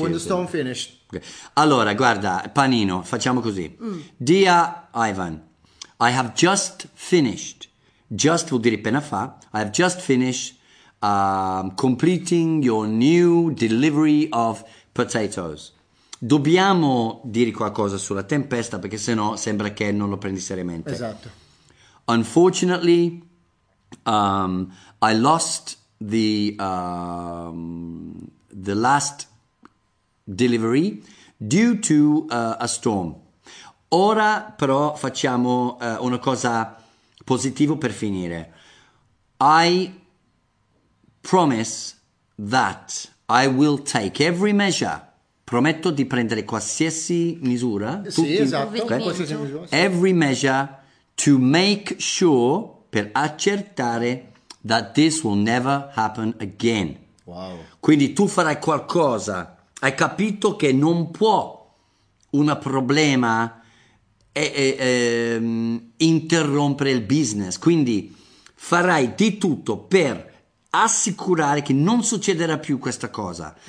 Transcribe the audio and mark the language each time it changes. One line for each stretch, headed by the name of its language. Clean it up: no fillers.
English: When the storm finished.
Italian: Okay. Allora, guarda, panino, facciamo così.
English: Dear Ivan, I have just finished.
Italian: Just vuol dire appena fa.
English: I have just finished completing your new delivery of potatoes.
Italian: Dobbiamo dire qualcosa sulla tempesta, perché sennò sembra che non lo prendi seriamente. Esatto.
English: Unfortunately, I lost the last delivery due to a storm.
Italian: Ora però facciamo una cosa positiva per finire.
English: I promise that I will take every measure.
Italian: Prometto di prendere qualsiasi misura. Sì, tutti, esatto. Okay?
English: Every measure. To make sure,
Italian: per accertare,
English: that this will never happen again. Wow.
Italian: Quindi tu farai qualcosa. Hai capito che non può un problema interrompere il business. Quindi farai di tutto per assicurare che non succederà più questa cosa.